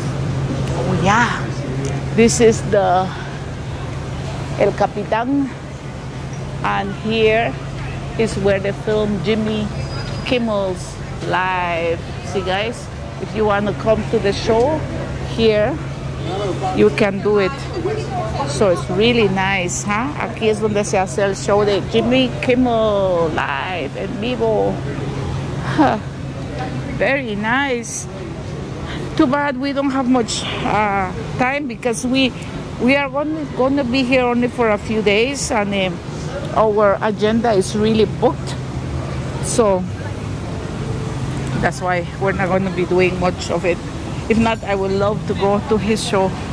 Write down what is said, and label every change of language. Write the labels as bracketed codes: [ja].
[en] Oh, yeah. This is the El Capitan. And here is where they filmed Jimmy Kimmel's Live. See, guys, if you want to come to the show here, you can do it. So it's really nice, huh? [es] Aquí es donde se hace el show de Jimmy Kimmel Live en vivo. [en] Very nice. Too bad we don't have much time because we are gonna be here only for a few days, and our agenda is really booked. So that's why we're not gonna be doing much of it. If not, I would love to go to his show.